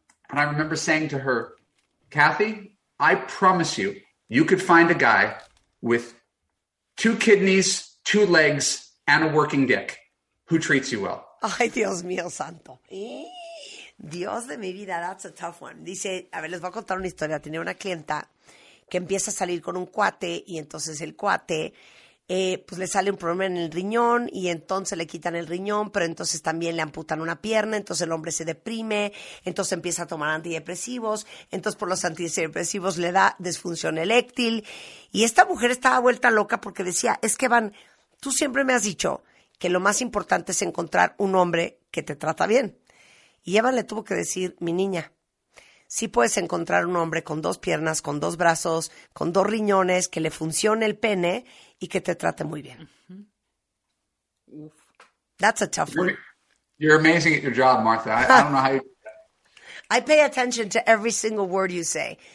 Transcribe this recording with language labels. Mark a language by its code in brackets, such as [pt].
[en] And I remember saying to her, Kathy, I promise you, you could find a guy with two kidneys, two legs, and a working dick who treats you well. [es] Ay, Dios mío santo. Dios de mi vida, [en] that's a tough one. [es] Dice, a ver, les voy a contar una historia. Tenía una clienta que empieza a salir con un cuate y entonces el cuate, pues le sale un problema en el riñón y entonces le quitan el riñón, pero entonces también le amputan una pierna, entonces el hombre se deprime, entonces empieza a tomar antidepresivos, entonces por los antidepresivos le da disfunción eréctil. Y esta mujer estaba vuelta loca porque decía, es que Van, tú siempre me has dicho que lo más importante es encontrar un hombre que te trata bien. Y Evan le tuvo que decir, mi niña, sí puedes encontrar un hombre con dos piernas, con dos brazos, con dos riñones, que le funcione el pene y que te trate muy bien. [en] Mm-hmm. That's a tough one. You're amazing at your job, Martha. I don't know how you do that. I pay attention to every single word you say.